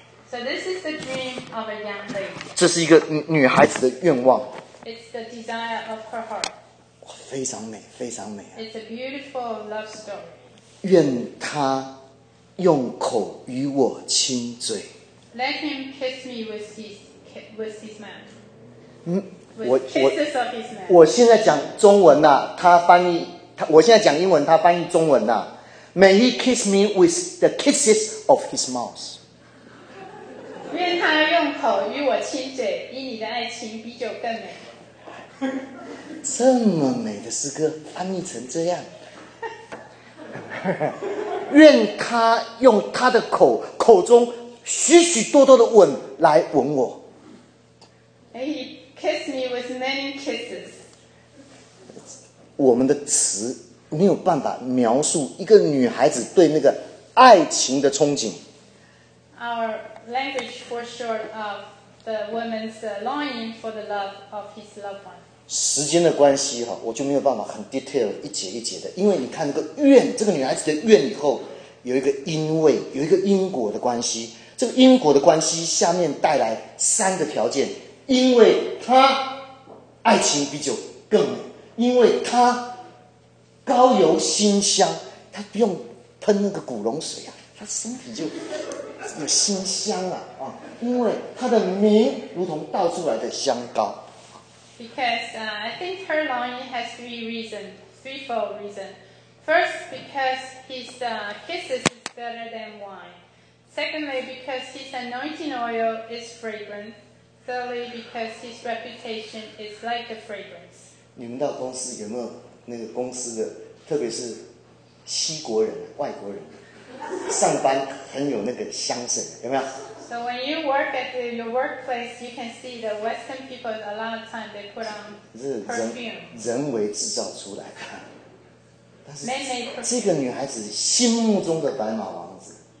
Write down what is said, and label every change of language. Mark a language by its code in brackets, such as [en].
[en] So this is the dream of a young lady. [zh] 这是一个女孩子的愿望。 [en] It's the desire of her heart. [zh] 哇，非常美，非常美啊。 [en] It's a beautiful love story. [zh] 愿他用口与我亲嘴。 [en] Let him kiss me with his mouth. With kisses of his mouth. [zh] 我现在讲中文呐、啊，他翻译他，我现在讲英文，他翻译中文呐、啊。 [en] May he kiss me with the kisses of his mouth. [zh] 愿他用口与我亲嘴，因你的爱情比酒更美。这么美的诗歌翻译成这样，愿他用他的口中许许多多的吻来吻我。 [en] May he kiss me with many kisses. [zh] 我们的词。没有办法描述一个女孩子对那个爱情的憧憬。 [en] Our language falls short of the woman's longing for the love of his loved one. [zh] 时间的关系哈，我就没有办法很 detail 一节一节的，因为你看那个愿，这个女孩子的愿以后有一个因为，有一个因果的关系。这个因果的关系下面带来三个条件：因为她爱情比酒更美，因为她。高油馨香，他不用喷那个古龙水啊，他身体就有馨香啊啊！因为他的名如同倒出来的香膏。 [en] Because I think her longing has threefold reason. First, because his kisses is better than wine. Secondly, because his anointing oil is fragrant. Thirdly, because his reputation is like the fragrance. [zh] 你们到公司有没有那个公司的，特别是西国人、外国人，上班很有那个香水，有没有？ [en] So when you work at your workplace, you can see the Western people a lot of time they put on perfume. [zh] 是人为制造出来的。但是这个女孩子心目中的白马王子。